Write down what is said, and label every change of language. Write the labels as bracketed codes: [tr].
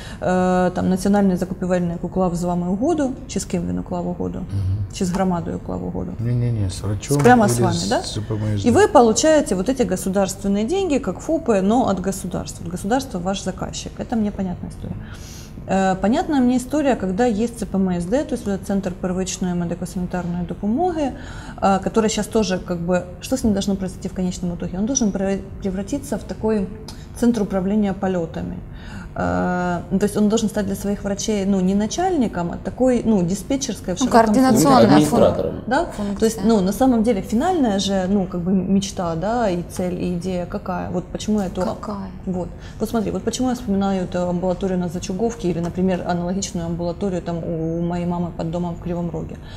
[uk] Там, национальный закупивальный куклав з вами угоду, чи с кем він уклав угоду, угу. чи с громадой уклав угоду. [ru] Не-не-не, с врачом. Прямо с вами, да? И вы получаете вот эти государственные деньги, как ФОПы, но от государства. Государство ваш заказчик. Это мне понятная история. [uk] Понятна мені історія, коли є ЦПМСД, тобто центр первичної медико-санітарної допомоги, який зараз теж, якби, що з ним має відбутися [ru] в кінцевому итоге? [uk] Він має превратитися в такий центр управління польотами. [ru] То есть он должен стать для своих врачей, ну, не начальником, а такой, ну, диспетчерской в широком смысле. Координационная функция. Да? То есть, ну, на самом деле, финальная же, ну, как бы мечта, да, и цель, и идея какая? Вот почему я то... Какая? Вот. Вот смотри, вот почему я вспоминаю эту амбулаторию на Зачуговке или, например, аналогичную амбулаторию там у моей мамы под домом в Кривом Роге.